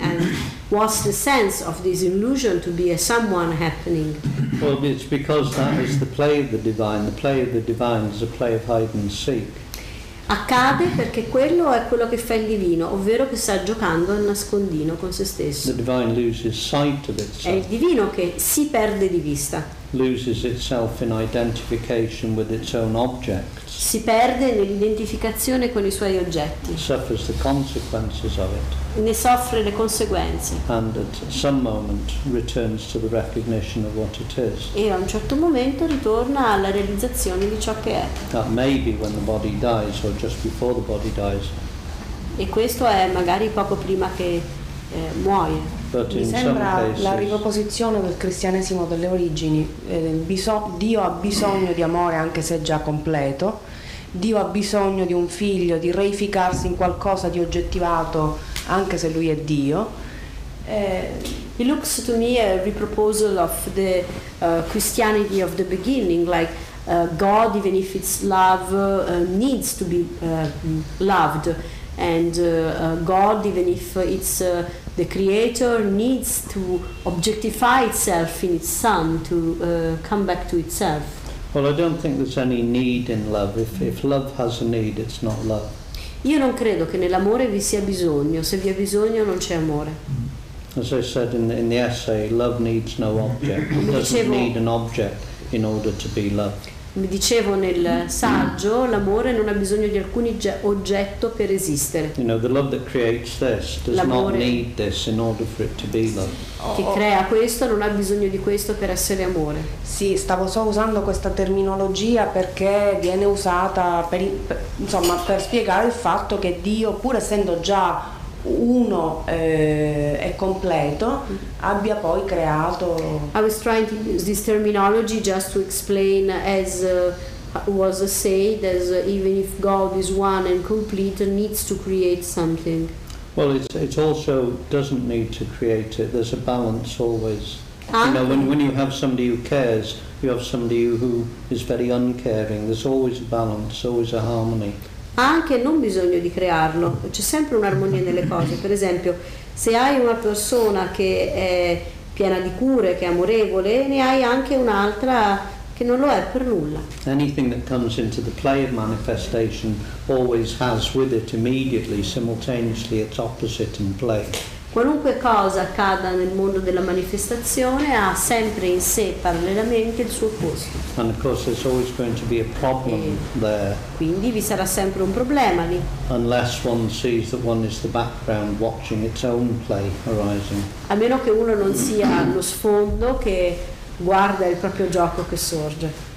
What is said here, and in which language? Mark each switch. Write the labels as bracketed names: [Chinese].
[English] And what's the sense of this illusion to be a someone happening? Well, it's because that is the play of the divine. The play of the divine is a play of hide and seek. [Italian] Accade perché quello è quello che fa il divino, ovvero che sta giocando al nascondino con se stesso. [English] The divine loses sight of itself. [Italian] È il divino che si perde di vista. [English] Loses itself in identification with its own objects. [Italian] Si perde nell'identificazione con i suoi oggetti. [English] Suffers the consequences of it. [Italian] Ne soffre le conseguenze. [English] And at some moment returns to the recognition of what it is. [Italian] E a un certo momento ritorna alla realizzazione di ciò che è. [English] That may be when the body dies or just before the body dies. [Italian] E questo è magari poco prima che muoia. [English] But [Italian] mi sembra la riproposizione del cristianesimo delle origini. Dio ha bisogno di amore anche se già completo. Dio ha bisogno di un figlio, di reificarsi in qualcosa di oggettivato anche se lui è Dio. [English] It looks to me a reproposal of the Christianity of the beginning, like God, even if it's love, needs to be loved. And God, even if it's the creator, needs to objectify itself in its son to come back to itself. Well, I don't think there's any need in love. If love has a need, it's not love. [Italian] Io non credo che nell'amore vi sia bisogno. Se vi è bisogno, non c'è amore. [English] As I said in the essay, love needs no object. It doesn't need an object in order to be loved. [Italian] Mi dicevo nel saggio, l'amore non ha bisogno di alcun oggetto per esistere. [English] You know, the love that creates this does not need this in order for it to be love. [Italian] Che crea questo non ha bisogno di questo per essere amore. Sì, stavo solo usando questa terminologia perché viene usata per spiegare il fatto che Dio, pur essendo già uno è completo, abbia poi creato. [English] I was trying to use this terminology just to explain, as was said, as even if God is one and complete, needs to create something. Well, it also doesn't need to create it. There's a balance always. You know, when you have somebody who cares, you have somebody who is very uncaring. There's always a balance, always a harmony. [Italian] Ha anche non bisogno di crearlo, c'è sempre un'armonia nelle cose. Per esempio, se hai una persona che è piena di cure, che è amorevole, ne hai anche un'altra che non lo è per nulla. [English] Anything that comes into the play of manifestation always has with it immediately, simultaneously, its opposite in play. [Italian] Qualunque cosa accada nel mondo della manifestazione ha sempre in sé parallelamente il suo opposto. [English] And of course there's always going to be a problem there. [Italian] Quindi vi sarà sempre un problema lì. [English] Unless one sees that one is the background watching its own play arising. [Italian] A meno che uno non sia lo sfondo che guarda il proprio gioco che sorge.